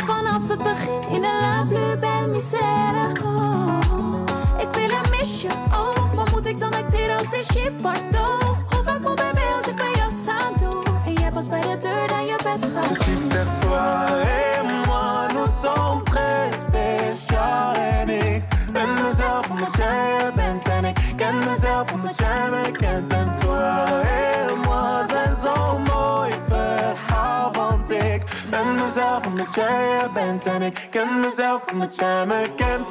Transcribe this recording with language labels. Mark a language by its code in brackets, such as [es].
[fr] in de la plus belle misère. [nl] Oh, ik wil een misje, oh. Maar moet ik dan acteren als Brigitte Bardot? Hoe vaak kom je bij als ik bij jou samen doe? En jij pas bij de deur dan je best gaat. Dus ik zeg, [fr] toi et moi, nous sommes très spéciaux. [nl] En ik ben mezelf omdat jij er bent. En ik ken mezelf omdat jij me kent. En [fr] toi et moi [nl] zijn zo'n mooi verhaal. Want ik ben mezelf omdat jij er bent. En ik ken mezelf omdat jij me kent.